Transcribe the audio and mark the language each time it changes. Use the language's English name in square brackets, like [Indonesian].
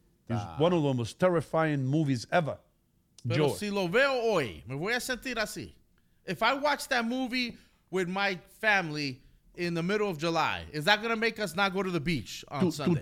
[English] It's one of the most terrifying movies ever. [Spanish] Pero si lo veo hoy, me voy a sentir así. [English] If I watch that movie with my family in the middle of July, is that going to make us not go to the beach on Sunday?